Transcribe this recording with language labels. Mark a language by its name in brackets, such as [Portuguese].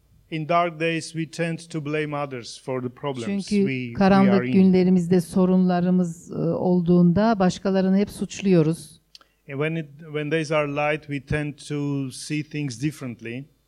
[English] In dark days we tend to blame others for the problems [Turkish] çünkü [English] we are in. [Turkish] Çünkü karanlık günlerimizde sorunlarımız olduğunda başkalarını hep suçluyoruz. [English] When days are light we tend to see things differently.